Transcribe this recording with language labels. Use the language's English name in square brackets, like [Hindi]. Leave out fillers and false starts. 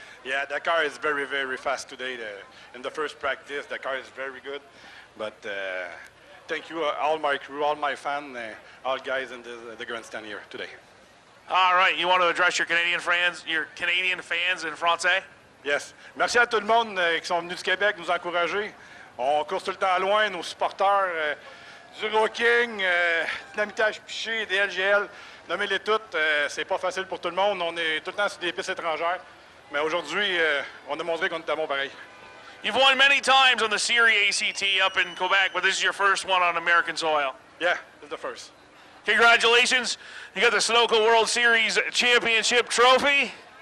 [English] Yeah, that car is very, very fast today. In the first practice, that car is very good. But thank you, all my crew, all my fans, all guys in the grandstand here today. All right, you want to address your Canadian fans in français? Yes. [French] Merci à tout le monde qui sont venus du Québec nous encourager. On course tout le temps loin, nos supporters du Rocking, Dynamitage Piché, DLGL, nommez-les toutes. C'est pas facile pour tout le monde. On est tout le temps sur des pistes étrangères. Mais aujourd'hui, on a montré qu'on était bon pareil. [English] You've won many times on the Serie ACT up in Quebec, but this is your first one on American soil. Yeah, this is the first. Congratulations. You got the Sunoco World Series Championship Trophy.